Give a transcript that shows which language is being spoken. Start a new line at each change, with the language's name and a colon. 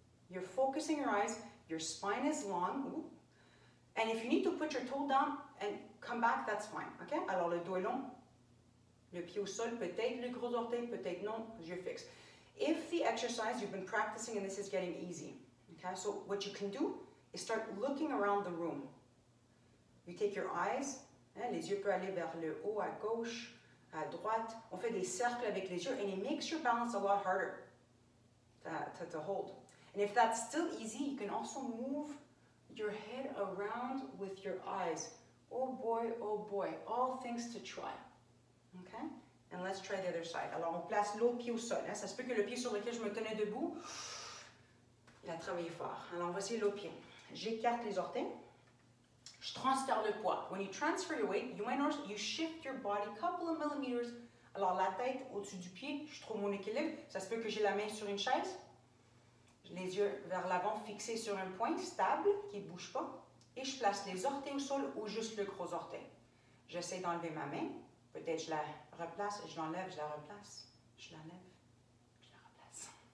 English: You're focusing your eyes, your spine is long. Ooh. And if you need to put your toe down and come back, that's fine. Okay?
French: Alors le dos est long, le pied au sol, peut-être le gros orteil, peut-être non, yeux fixes.
English: If the exercise you've been practicing and this is getting easy, okay, so what you can do is start looking around the room. You take your eyes,
French: hein, les yeux peuvent aller vers le haut, à gauche, à droite. On fait des cercles avec les yeux
English: and it makes your balance a lot harder to hold. And if that's still easy, you can also move your head around with your eyes. Oh boy, all things to try. Okay? And let's try the other side.
French: Alors, on place l'autre pied au sol. Hein? Ça se peut que le pied sur lequel je me tenais debout, il a travaillé fort. Alors, voici l'autre pied. J'écarte les orteils. Je transfère le poids.
English: When you transfer your weight, you might notice you shift your body a couple of millimeters.
French: Alors, la tête au-dessus du pied, je trouve mon équilibre. Ça se peut que j'ai la main sur une chaise. Les yeux vers l'avant fixés sur un point stable qui ne bouge pas. Et je place les orteils au sol ou juste le gros orteil. J'essaie d'enlever ma main. Peut-être je la replace, je l'enlève, je la replace, je l'enlève, je la replace.